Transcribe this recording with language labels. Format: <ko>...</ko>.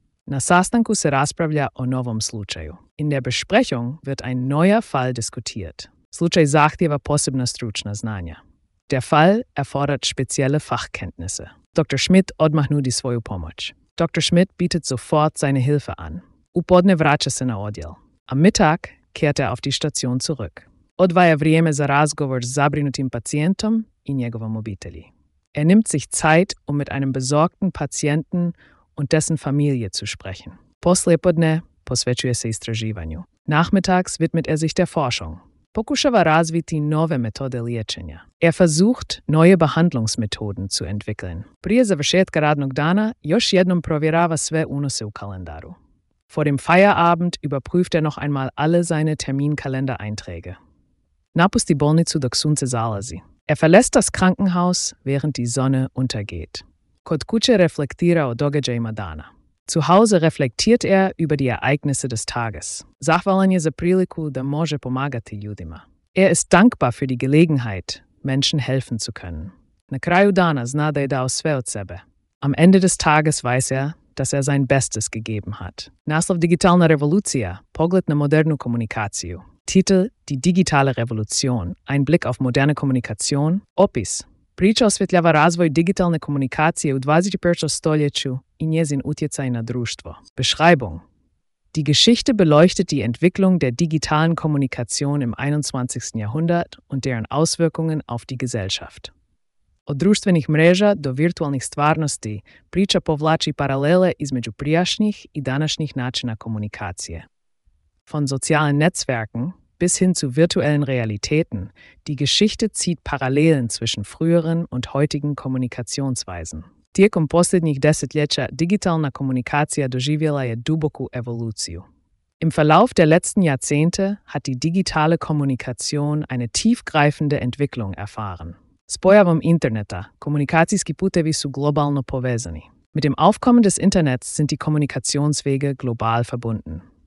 <hr>Na sastanku se raspravlja o novom slučaju.</hr> <de>In der Besprechung wird ein neuer Fall diskutiert.</de> <hr>Slučaj zahtjeva posebna stručna znanja.</hr> <de>Der Fall erfordert spezielle Fachkenntnisse. Dr.</de> <hr>Schmidt odmah nudi svoju pomoć.</hr> <de>Dr. Schmidt bietet sofort seine Hilfe an.</de> <hr>U podne vraća se na odjel.</hr> <de>Am Mittag kehrt auf die Station zurück.</de> <hr>Odvaja vrijeme za razgovor s zabrinutim pacijentom i njegovom obitelji.</hr> <de>Er nimmt sich Zeit, um mit einem besorgten Patienten und dessen Familie zu sprechen.</de> <hr>Poslijepodne posvećuje se istraživanju.</hr> <de>Nachmittags widmet er sich der Forschung.</de> <hr>Pokušava razviti nove metode liječenja.</hr> <de>Er versucht, neue Behandlungsmethoden zu entwickeln.</de> <hr>Prije završetka radnog dana još jednom provjerava sve unose u kalendaru.</hr> <de>Vor dem Feierabend überprüft er noch einmal alle seine Terminkalendereinträge.</de> <hr>Napusti bolnicu dok sunce zalazi.</hr> <de>Er verlässt das Krankenhaus, während die Sonne untergeht.</de> <hr>Kod kuće reflektira o događajima dana.</hr> <de>Zu Hause reflektiert er über die Ereignisse des Tages.</de> <hr>Zahvalan je za priliku da može pomagati ljudima.</hr> <de>Er ist dankbar für die Gelegenheit, Menschen helfen zu können.</de> <hr>Na kraju dana zna da je dao sve od sebe.</hr> <de>Am Ende des Tages weiß er, dass er sein Bestes gegeben hat.</de> <hr>Naslov digitalna revolucija, pogled na modernu komunikaciju.</hr> <de>Titel Die digitale Revolution, ein Blick auf moderne Kommunikation.</de> <hr>Opis. Priča osvjetljava razvoj digitalne komunikacije u 21. stoljeću i njezin utjecaj na društvo.</hr> <de>Beschreibung. Die Geschichte beleuchtet die Entwicklung der digitalen Kommunikation im 21. Jahrhundert und deren Auswirkungen auf die Gesellschaft.</de> <hr>Od društvenih mreža do virtualnih stvarnosti priča povlači paralele između prijašnjih i današnjih načina komunikacije.</hr> <de>Von sozialen Netzwerken bis hin zu virtuellen Realitäten, die Geschichte zieht Parallelen zwischen früheren und heutigen Kommunikationsweisen.</de> <hr>Tijekom posljednjih desetljeća digitalna komunikacija doživjela je duboku evoluciju.</hr> <de>Im Verlauf der letzten Jahrzehnte hat die digitale Kommunikation eine tiefgreifende Entwicklung erfahren.</de> <hr>S pojavom interneta, komunikacijski putevi su globalno povezani.</hr> <de>Mit dem Aufkommen des Internets sind die Kommunikationswege global verbunden.</de>